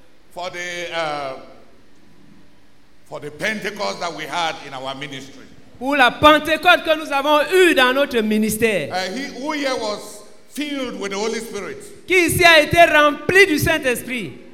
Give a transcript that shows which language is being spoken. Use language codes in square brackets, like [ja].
[en] for the Pentecost that we had in our ministry. [fr] Pour la Pentecôte que nous avons eue dans notre ministère. [en] Who here was filled with the Holy Spirit? [fr] Qui ici a été rempli du Saint-Esprit?